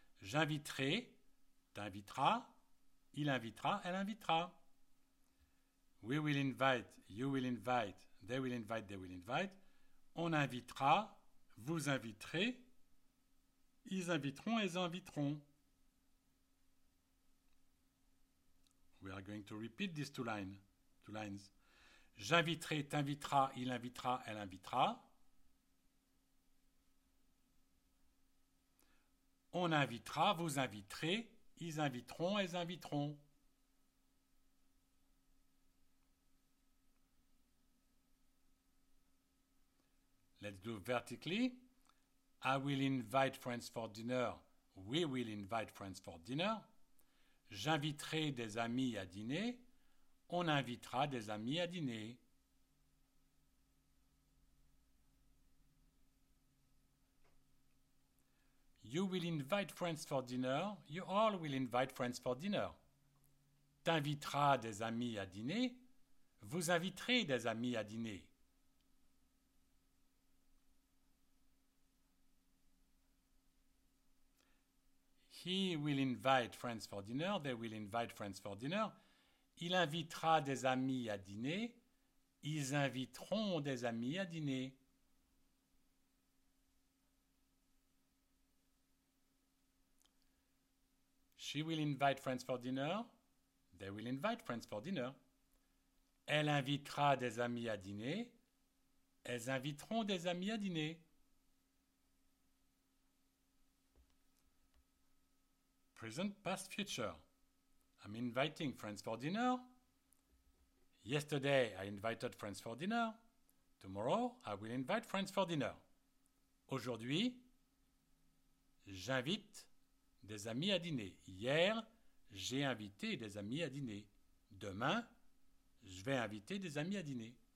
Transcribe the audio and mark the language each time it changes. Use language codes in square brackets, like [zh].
[fr] J'inviterai, t'inviteras, il invitera, elle invitera. [en] We will invite, you will invite, they will invite, they will invite. [fr] On invitera, vous inviterez, ils inviteront, elles inviteront. [en] We are going to repeat these two lines. [fr] J'inviterai, t'invitera, il invitera, elle invitera. On invitera, vous inviterez, ils inviteront, elles inviteront. [en] Let's do vertically. I will invite friends for dinner. We will invite friends for dinner. [fr] J'inviterai des amis à dîner. On invitera des amis à dîner. [en] You will invite friends for dinner. You all will invite friends for dinner. [fr] T'inviteras des amis à dîner. Vous inviterez des amis à dîner. [en] He will invite friends for dinner. They will invite friends for dinner. [fr] Il invitera des amis à dîner. Ils inviteront des amis à dîner. [en] She will invite friends for dinner. They will invite friends for dinner. [fr] Elle invitera des amis à dîner. Elles inviteront des amis à dîner. [en] Present, past, future. I'm inviting friends for dinner. Yesterday, I invited friends for dinner. Tomorrow, I will invite friends for dinner. [fr] Aujourd'hui, j'invite des amis à dîner. Hier, j'ai invité des amis à dîner. Demain, je vais inviter des amis à dîner.